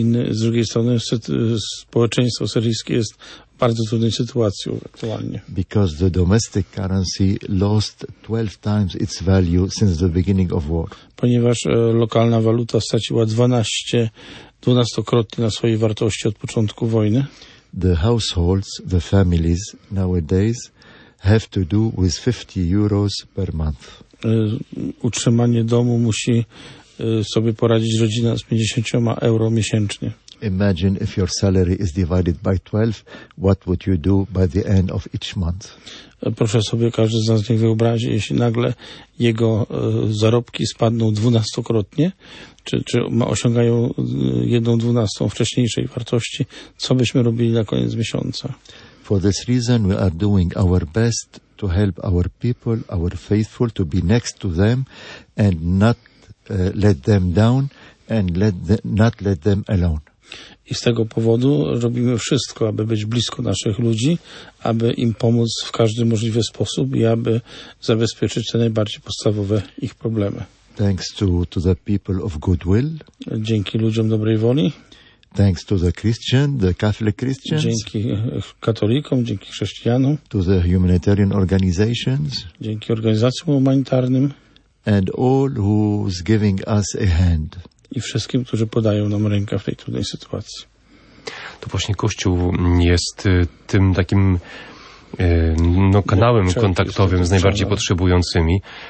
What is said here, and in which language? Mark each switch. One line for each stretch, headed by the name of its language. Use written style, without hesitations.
Polish: Z drugiej strony społeczeństwo syryjskie jest w bardzo trudnej sytuacji aktualnie.
English: Because the domestic currency lost 12 times its value since the beginning of war.
Polish: Ponieważ lokalna waluta straciła 12-krotnie na swojej wartości od początku wojny.
English: The households, the families nowadays have to do with 50 euros per month.
Polish: Utrzymanie domu musi sobie poradzić rodzina z 50 euro miesięcznie.
English: Imagine if your salary is divided by 12, what would you do by the end of each month?
Polish: Proszę sobie każdy z nas niech wyobrazi, jeśli nagle jego zarobki spadną 12-krotnie, czy osiągają 1/12 wcześniejszej wartości, co byśmy robili na koniec miesiąca?
English: For this reason we are doing our best to help our people, our faithful, to be next to them and not let them down and not let them alone.
Polish: I z tego powodu robimy wszystko, aby być blisko naszych ludzi, aby im pomóc w każdy możliwy sposób i aby zabezpieczyć te najbardziej podstawowe ich problemy.
English: Thanks to the people of goodwill.
Polish: Dzięki ludziom dobrej woli.
English: Thanks to the Christian, the Catholic Christians.
Polish: Dzięki katolikom, dzięki chrześcijanom.
English: To the humanitarian organizations.
Polish: Dzięki organizacjom humanitarnym.
English: And all who's giving us a hand.
Polish: I wszystkim, którzy podają nam rękę w tej trudnej sytuacji. To właśnie Kościół jest tym takim kanałem kontaktowym z najbardziej potrzebującymi.